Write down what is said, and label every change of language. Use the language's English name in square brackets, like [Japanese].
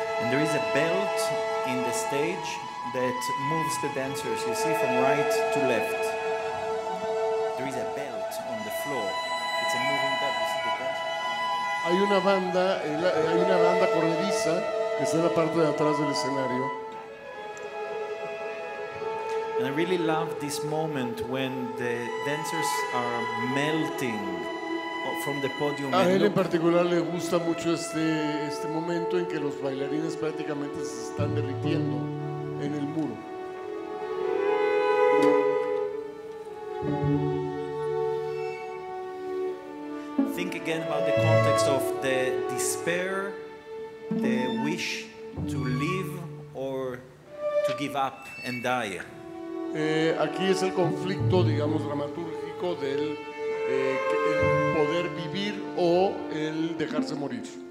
[English] there is a belt in the stage that moves the dancers, you see, from right to left. There is a belt on the floor. It's a moving belt, you see the dancers. [Spanish] Hay una banda corrediza que está en la parte de atrás del escenario. [English] And I really love this moment when the dancers are melting from the podium. [Spanish] A él en particular le gusta mucho este momento en que los bailarines prácticamente se están derritiendo en el muro. [English] Think again about the context of the despair, the wish to live or to give up and die. [Spanish] Aquí es el conflicto, digamos, dramatúrgico del el poder vivir o el dejarse morir.